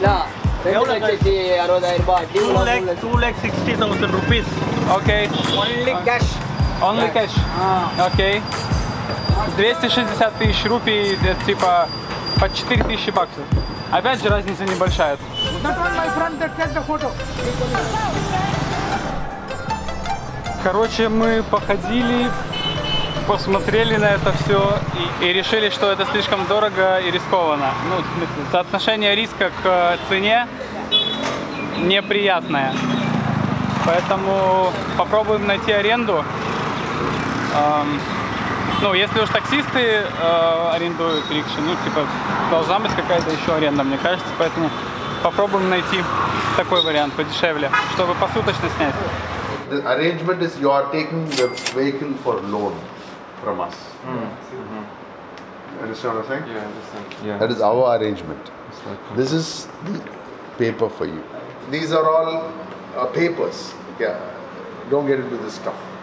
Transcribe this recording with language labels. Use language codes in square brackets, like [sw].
[en] Yeah. 2,60,000 rupees. Okay. Only cash. Only cash. Okay. [ru] 260 тысяч рупий, это типа по 4 тысячи баксов. Опять же, разница небольшая. [en] That one, my friend, that take the photo. [ru] Короче, мы походили, посмотрели на это все и решили, что это слишком дорого и рискованно. Ну, в смысле, соотношение риска к цене неприятное. Поэтому попробуем найти аренду. Ну, если уж таксисты арендуют рикши, ну, типа, должна быть какая-то еще аренда, мне кажется. Поэтому попробуем найти такой вариант подешевле, чтобы посуточно снять. [en] The arrangement is you are taking the vehicle for loan. From us. Mm-hmm. Understand what I'm saying? Yeah, I understand. That is our arrangement. Like, this is the paper for you. these are all papers. Yeah, don't get into this stuff.